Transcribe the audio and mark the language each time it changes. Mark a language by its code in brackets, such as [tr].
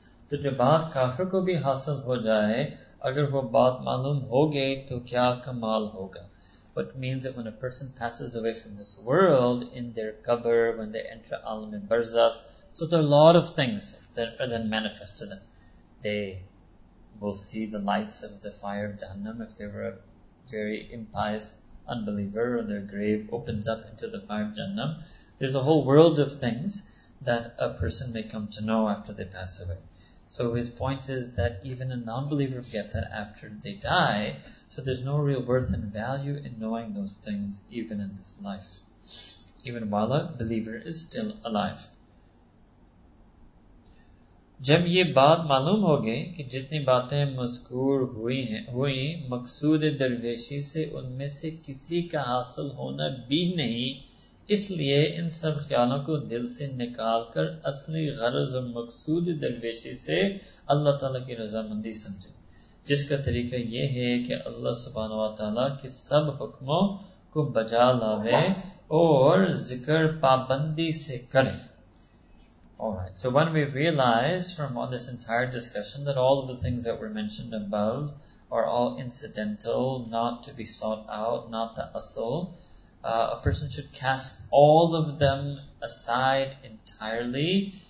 [ur] تو جو بات کافر کو بھی حاصل ہو جائے, اگر وہ بات معلوم ہو گئی تو کیا کمال ہوگا. [en] What means that when a person passes away from this world in their qabr, when they enter alam in barzakh, so there are a lot of things that are then manifest to them. They will see the lights of the fire of Jahannam if they were a very impious unbeliever, or their grave opens up into the fire of Jahannam. There's a whole world of things that a person may come to know after they pass away. So his point is that even a non-believer get that after they die. So there's no real worth and value in knowing those things even in this life, even while a believer is still alive. [ur] جب یہ بات معلوم ہو گئی کہ جتنی باتیں مذکور ہوئی مقصود درویشی سے ان میں سے کسی کا حاصل ہونا بھی نہیں, اس لیے ان سب خیالوں کو دل سے نکال کر اصلی غرض اور مقصود درویشی سے اللہ تعالیٰ کی رضا مندی سمجھے, جس کا طریقہ یہ ہے کہ اللہ سبحانہ و تعالیٰ کے سب حکموں کو بجا لاوے اور ذکر پابندی سے کرے. [en] Alright, so when we realize from all this entire discussion that all of the things that were mentioned above are all incidental, not to be sought out, not the asl, a person should cast all of them aside entirely